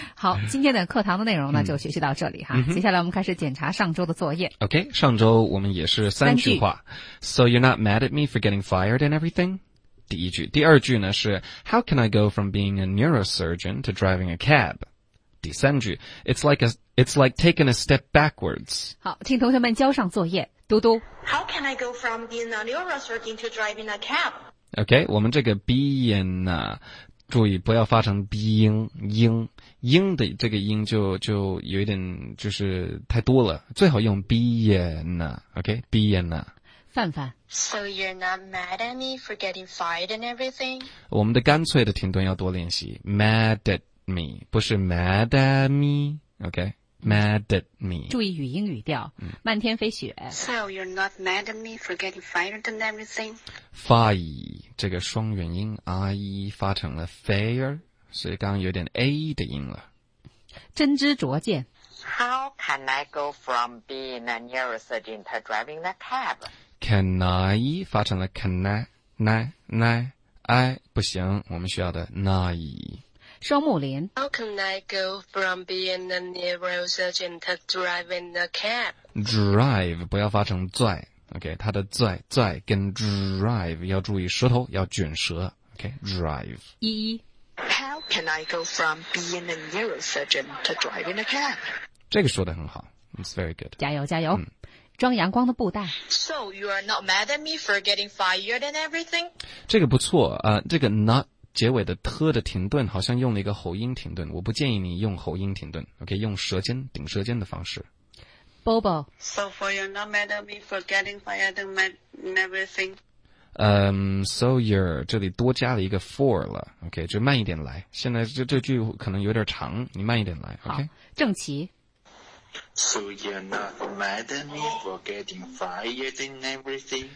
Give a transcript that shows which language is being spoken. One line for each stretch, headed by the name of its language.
Chinese: 好，今天的课堂的内容呢，就学习到这里哈。接下来我们开始检查上周的作业。 OK， 上周我们也是三句话。
English: So you're not mad at me for getting fired and everything?
Chinese: 第一句。第二句呢是
English: How can I go from being a neurosurgeon to driving a cab?
Chinese: 第三句。
English: It's like taking a step backwards.
Chinese: 好，请同学们交上作业。嘟嘟
English: How can I go from being a neurosurgeon to driving a cab?
Chinese: OK, 我们这个 being 呢、啊、注意不要发成 being, 音音的这个音就有一点就是太多了，最好用 being 啊 OK, being 啊。范范
English: So you're not mad at me for getting fired and everything?
Chinese: 我们的干脆的停顿要多练习
English: mad at me,
Chinese: 不是 mad at me, OK?
English: Mad at me.
Chinese: 注意语音语调，漫天飞雪。
English: So you're not mad at me for getting fired and everything?
Chinese: Fire 这个双元音 ，I 发成了 fair， 所以刚刚有点 A 的音了。真知灼见。
English: How can I go from being a neurosurgeon to driving a cab?
Chinese: Can I 发成了 can I 不行，我们需要的 nai。双木林
English: How can I go from being a neurosurgeon to driving a cab?
Chinese: Drive 不要发成拽 OK 它的拽跟 drive 要注意舌头要卷舌 OK drive 依依
English: How can I go from being a neurosurgeon to driving a cab?
Chinese: 这个说得很好
English: It's very good
Chinese: 加油加油、装阳光的布袋
English: So you are not mad at me for getting fired and everything?
Chinese: 这个不错这个 not 结尾的特的停顿好像用了一个喉音停顿，我不建议你用喉音停顿， OK， 用舌尖顶舌尖的方式。
English: Bobo. So for you're not mad at me for getting fired and everything. So you're,
Chinese: 这里多加了一个 for 了， OK， 就慢一点来，现在这句可能有点长，你慢一点来， OK。正齐。
English: So you're not mad at me for getting fired and everything.